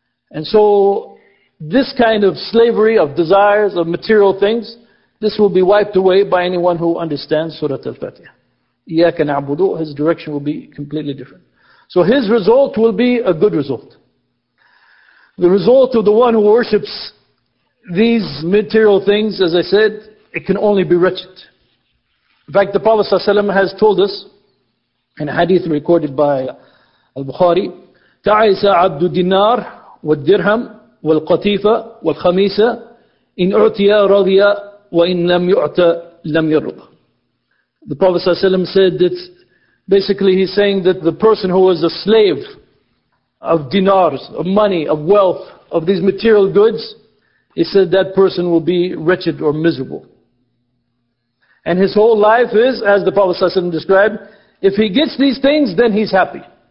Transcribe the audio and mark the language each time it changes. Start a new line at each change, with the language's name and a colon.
English: And so this kind of slavery of desires, of material things, this will be wiped away by anyone who understands Surah Al-Fatiha.
Arabic: إِيَّاكَ نَعْبُدُ,
English: his direction will be completely different. So his result will be a good result. The result of the one who worships these material things, as I said, it can only be wretched. In fact, the Prophet ﷺ has told us, in a hadith recorded by Al-Bukhari,
Arabic: تَعَيْسَ عَبْدُ الدِّنَارِ وَالدِّرْهَمْ وَالْقَطِيفَ وَالْخَمِيسَ إِنْ أُعْتِيَ رَضِيَ وَإِنْ لَمْ يُعْتَ لَمْ يَرْضَ.
English: The Prophet ﷺ said that, basically he's saying that the person who was a slave of dinars, of money, of wealth, of these material goods, he said that person will be wretched or miserable. And his whole life is, as the Prophet ﷺ described, if he gets these things, then he's happy.